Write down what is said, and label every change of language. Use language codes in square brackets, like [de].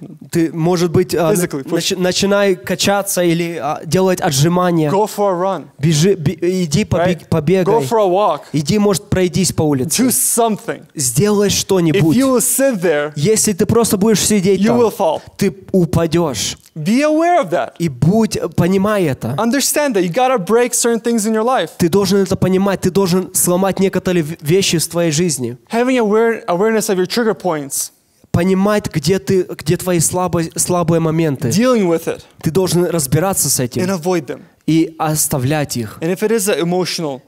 [ru] Ты, может быть, начинай качаться или делать отжимания. [en] Go for a run. [ru] Иди побегай. [en] Go for a walk. [ru] Иди, может, пройдись по улице. [en] Do something. [ru] Сделай что-нибудь. [en] If you will sit there, [ru] если ты просто будешь сидеть [en] you [ru] там, [en] will fall. [ru] Ты упадешь. [en] Be aware of that. [ru] И будь, понимай это. [en] Understand that you gotta break certain things in your life. [ru] Ты должен это понимать, ты должен сломать некоторые вещи в твоей жизни. [en] Having awareness of your trigger points. [ru] Понимать, где твои слабые моменты. [en] Dealing with it. [ru] Ты должен разбираться с этим. [en] And avoid them. [ru] И оставлять их. [en] And if it is emotional,